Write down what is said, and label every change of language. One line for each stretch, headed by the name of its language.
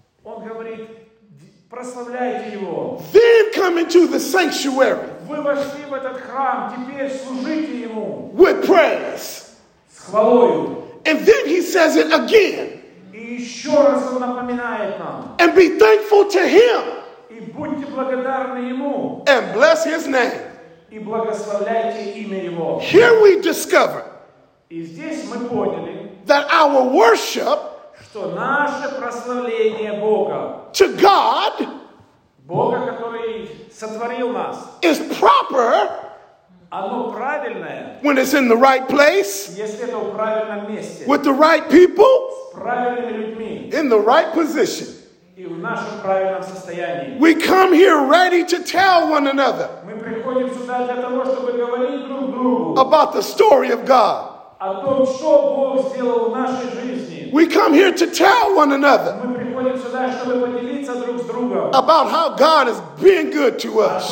Russian: Он говорит, прославляйте его.
English: Then come into the sanctuary.
Russian: Вы вошли в этот храм, теперь служите ему.
English: With praise.
Russian: С хвалою.
English: And then he says it again.
Russian: И еще раз он напоминает нам.
English: And be thankful to him.
Russian: И будьте благодарны ему.
English: And bless his name.
Russian: И благословляйте имя его.
English: Here we discover.
Russian: И здесь мы поняли.
English: That our worship.
Russian: Что наше прославление Бога.
English: To God.
Russian: Бога, который сотворил нас.
English: Is proper.
Russian: Оно правильное.
English: When it's in the right place.
Russian: Если это в правильном месте.
English: With the right people.
Russian: С правильными людьми.
English: In the right position.
Russian: И в нашем правильном состоянии.
English: We come here ready to tell one another.
Russian: Мы приходим сюда для того, чтобы говорить друг другу.
English: About the story of God.
Russian: О том, что Бог сделал в нашей жизни.
English: We come here to tell one another.
Russian: Мы приходим сюда, чтобы поделиться друг с другом.
English: About how God has been good to us.